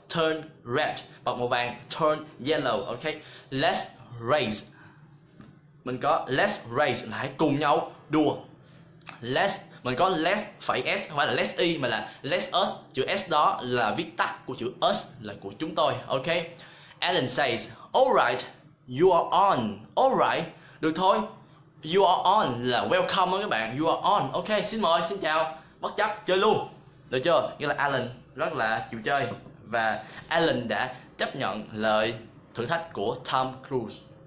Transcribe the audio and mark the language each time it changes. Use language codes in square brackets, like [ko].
[en] Turn red [vi] bật màu vàng, [en] turn yellow, ok? Let's race, [vi] mình có [en] let's race [vi] là hãy cùng nhau đua. Let's, mình có let's phải s, không phải là let's y mà là [en] let's us, [vi] chữ s đó là viết tắt của chữ us, là của chúng tôi, ok? [en] Alan says alright, you are on. Alright, [vi] được thôi, [en] you are on [vi] là [en] welcome [vi] các bạn, [en] you are on, ok, [vi] xin mời, xin chào, bất chấp, chơi luôn, được chưa? Nghĩa là Alan rất là chịu chơi và Alan đã chấp nhận lời thử thách của Tom Cruise.